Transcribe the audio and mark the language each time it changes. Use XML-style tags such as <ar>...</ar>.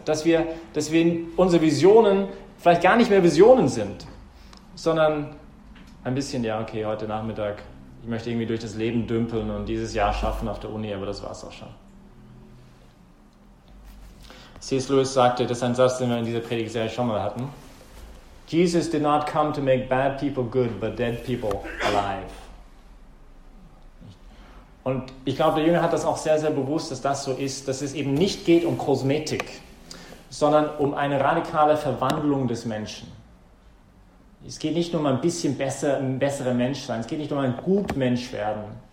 <de>Dass wir unsere Visionen vielleicht gar nicht mehr Visionen sind, sondern ein bisschen, ja okay, heute Nachmittag, ich möchte irgendwie durch das Leben dümpeln und dieses Jahr schaffen auf der Uni, aber das war's auch schon. C.S. Lewis sagte, das ist ein Satz, den wir in dieser Predigtserie schon mal hatten.</de> <en>Jesus did not come to make bad people good, but dead people alive.</en> <de>Und ich glaube, der Jünger hat das auch sehr, sehr bewusst, dass das so ist, dass es eben nicht geht um Kosmetik, sondern um eine radikale Verwandlung des Menschen. Es geht nicht nur um ein bisschen besser, ein besserer Mensch sein, es geht nicht nur um ein gut Mensch werden.</de>